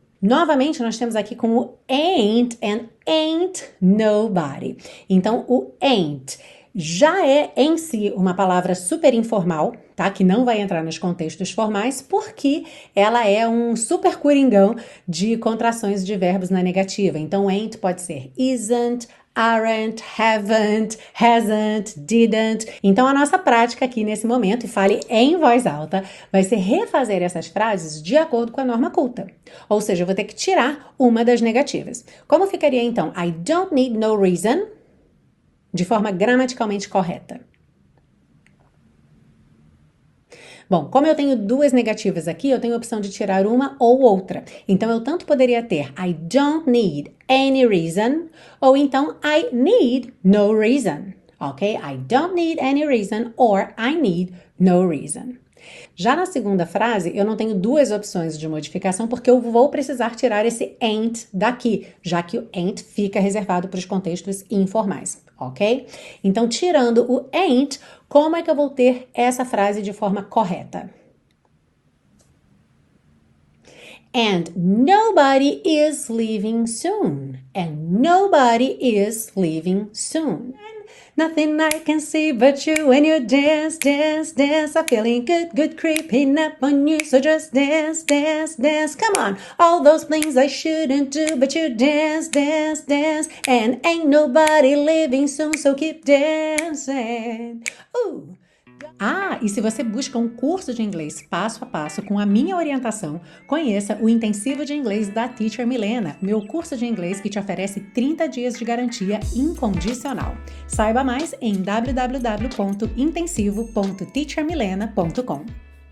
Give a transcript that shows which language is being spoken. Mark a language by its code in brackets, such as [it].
[pt] Novamente, nós temos aqui com o ain't and ain't nobody. Então, o ain't já é em si uma palavra super informal, tá? Que não vai entrar nos contextos formais, porque ela é um super coringão de contrações de verbos na negativa. Então, ain't pode ser isn't, aren't, haven't, hasn't, didn't. Então a nossa prática aqui nesse momento, e fale em voz alta, vai ser refazer essas frases de acordo com a norma culta. Ou seja, eu vou ter que tirar uma das negativas. Como ficaria então? [en] I don't need no reason, [pt] de forma gramaticalmente correta. Bom, como eu tenho duas negativas aqui, eu tenho a opção de tirar uma ou outra. Então, eu tanto poderia ter [en] I don't need any reason, [pt] ou então [en] I need no reason, [pt] ok? [en] I don't need any reason, or I need no reason. [pt] Já na segunda frase, eu não tenho duas opções de modificação, porque eu vou precisar tirar esse ain't daqui, já que o ain't fica reservado para os contextos informais, ok? Então, tirando o ain't, como é que eu vou ter essa frase de forma correta? [en] And nobody is leaving soon. And nobody is leaving soon. Nothing I can see but you when you dance, dance, dance. I'm feeling good, good, creeping up on you. So just dance, dance, dance. Come on. All those things I shouldn't do, but you dance, dance, dance. And ain't nobody leaving soon, so keep dancing. [pt] Ah, e se você busca um curso de inglês passo a passo com a minha orientação, conheça o Intensivo de Inglês da Teacher Milena, meu curso de inglês que te oferece 30 dias de garantia incondicional. Saiba mais em www.intensivo.teachermilena.com.